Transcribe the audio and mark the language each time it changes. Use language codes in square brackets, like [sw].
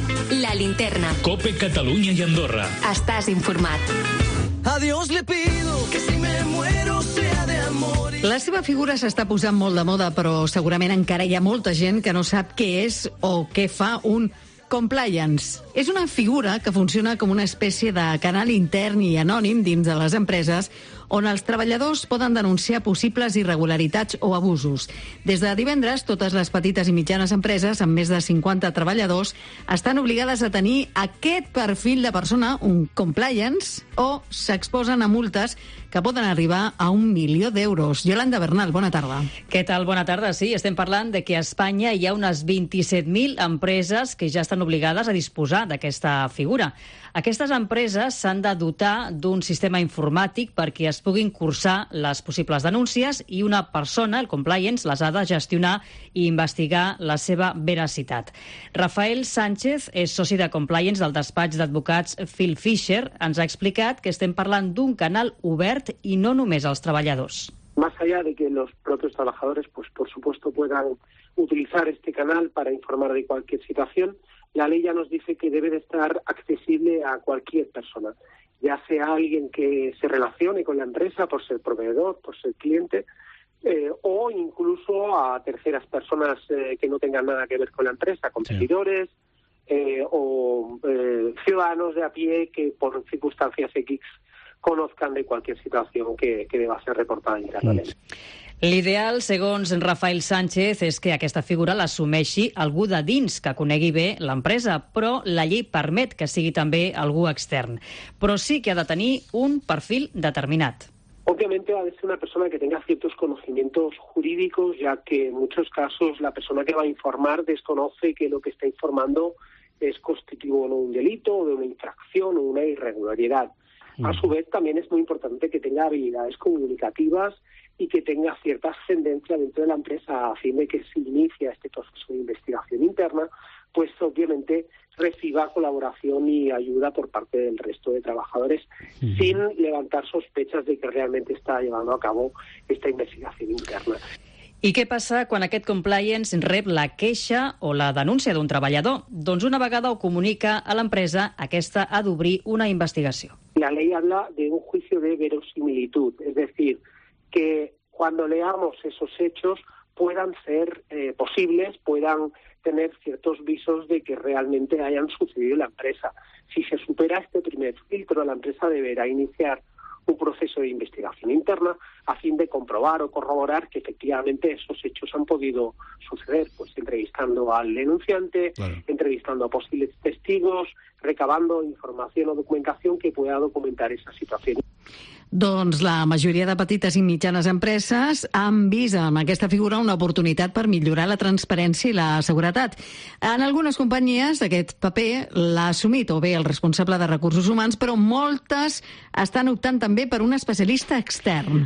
[es] La linterna. COPE Cataluña y Andorra. [ca] Estàs informat. [es] A Dios le pido que si me muero sea de amor. [ca] La seva figura s'està posant molt de moda, però segurament encara hi ha molta gent que no sap què és o què fa un compliance. És una figura que funciona com una espècie de canal intern i anònim dins de les empreses on els treballadors poden denunciar possibles irregularitats o abusos. Des de divendres, totes les petites i mitjanes empreses amb més de 50 treballadors estan obligades a tenir aquest perfil de persona, un compliance, o s'exposen a multes que poden arribar a 1 milió d'euros. Yolanda Bernal, bona tarda. Què tal? Bona tarda. Sí, estem parlant de que a Espanya hi ha unes 27.000 empreses que ja estan obligades a disposar d'aquesta figura. Aquestes empreses s'han de dotar d'un sistema informàtic perquè es puguin cursar les possibles denúncies i una persona, el compliance, les ha de gestionar i investigar la seva veracitat. Rafael Sánchez és soci de compliance del despatx d'advocats Phil Fisher. Ens ha explicat que estem parlant d'un canal obert i no només als treballadors. [es] Más allá de que los propios trabajadores, pues por supuesto, puedan utilizar este canal para informar de cualquier situación, la ley ya nos dice que debe de estar accesible a cualquier persona, ya sea alguien que se relacione con la empresa por ser proveedor, por ser cliente, o incluso a terceras personas que no tengan nada que ver con la empresa, competidores, sí. Ciudadanos de a pie que por circunstancias X conozcan de cualquier situación que deba ser reportada internamente. Sí. [ca] L'ideal, segons Rafael Sánchez, és que aquesta figura l'assumeixi algú de dins que conegui bé l'empresa, però la llei permet que sigui també algú extern. Però sí que ha de tenir un perfil determinat. [es] Obviamente ha de ser una persona que tenga ciertos conocimientos jurídicos, ya que en muchos casos la persona que va a informar desconoce que lo que está informando es constitutivo de un delito, de una infracción o una irregularidad. A su vez, también es muy importante que tenga habilidades comunicativas y que tenga cierta ascendencia dentro de la empresa a fin de que se inicie este proceso de investigación interna, pues obviamente reciba colaboración y ayuda por parte del resto de trabajadores sin levantar sospechas de que realmente está llevando a cabo esta investigación interna. [ca] I què passa quan aquest compliance rep la queixa o la denúncia d'un treballador? Doncs una vegada ho comunica a l'empresa, aquesta ha d'obrir una investigació. [es] La ley habla de un juicio de verosimilitud, es decir, que cuando leamos esos hechos puedan ser posibles, puedan tener ciertos visos de que realmente hayan sucedido en la empresa. Si se supera este primer filtro, la empresa deberá iniciar un proceso de investigación interna a fin de comprobar o corroborar que efectivamente esos hechos han podido suceder, pues entrevistando al denunciante, claro, entrevistando a posibles testigos, recabando información o documentación que pueda documentar esa situación. [ca] Doncs la majoria de petites i mitjanes empreses han vist amb aquesta figura una oportunitat per millorar la transparència i la seguretat. En algunes companyies aquest paper l'ha assumit o bé el responsable de recursos humans, però moltes estan optant també per un especialista extern.